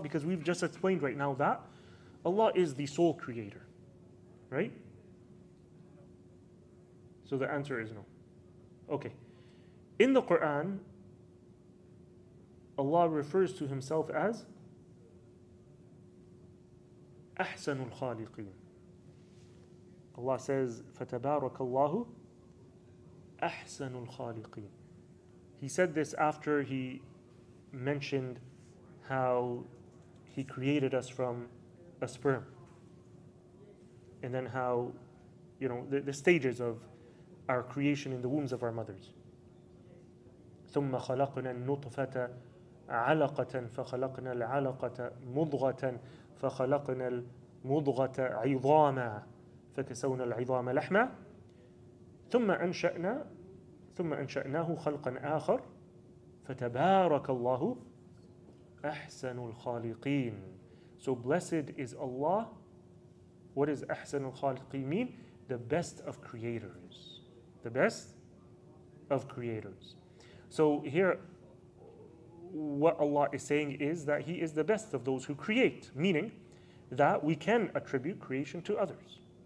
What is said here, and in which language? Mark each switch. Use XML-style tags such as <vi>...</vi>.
<en>Because we've just explained right now that Allah is the sole creator, right? So the answer is no. Okay. In the Quran, Allah refers to himself as</en> <ar>أحسن الخالقين.</ar> <en>Allah says,</en> <ar>فتبارك الله أحسن الخالقين.</ar> <en>He said this after he mentioned how he created us from a sperm. And then how, you know, the stages of our creation in the wombs of our mothers.</en> <ar>ثُمَّ خَلَقْنَا النُّطْفَةَ عَلَقَةً فَخَلَقْنَا الْعَلَقَةَ مُضْغَةً فَخَلَقْنَا الْمُضْغَةَ عِظَامًا فَكَسَوْنَا الْعِظَامَ لَحْمًا ثُمَّ أَنْشَأْنَا ثم أنشأناه خلقا آخر فتبارك الله أحسن الخالقين.</ar> <en>So blessed is Allah. What is</en> <ar>أحسن الخالقين</ar> <en>mean? The best of creators. The best of creators. So here, what Allah is saying is that He is the best of those who create, meaning that we can attribute creation to others.</en>